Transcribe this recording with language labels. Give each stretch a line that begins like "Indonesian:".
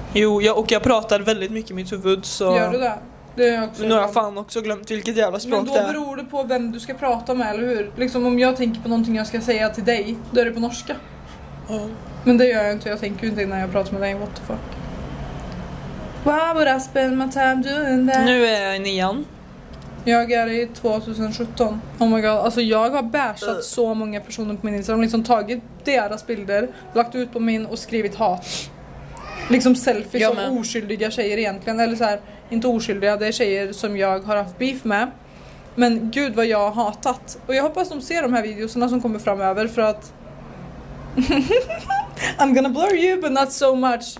Swedish: Jo, jag pratar väldigt mycket i mitt huvud så. Gör du det? Det är också. Nu har jag fan också glömt vilket jävla språk det är. Men då beror det på vem du ska prata med eller hur? Liksom om jag tänker på någonting jag ska säga till dig, då är det på norska. Ja. Men det gör jag inte. Jag tänker inte när jag pratar med dig.
English: What the fuck? Wow, what has been my time doing that?
Swedish: Nu är jag i nian. Jag är i 2017.
English: Oh my god,
Swedish: alltså jag har bashat så många personer på min Instagram. Liksom tagit deras bilder, lagt ut på min och skrivit hat. Liksom selfies av oskyldiga tjejer egentligen. Eller så här, inte oskyldiga, det är tjejer som jag har haft beef med. Men gud vad jag har hatat. Och jag hoppas de ser de här videoserna som kommer framöver för att...
English: I'm gonna blur you, but not so much.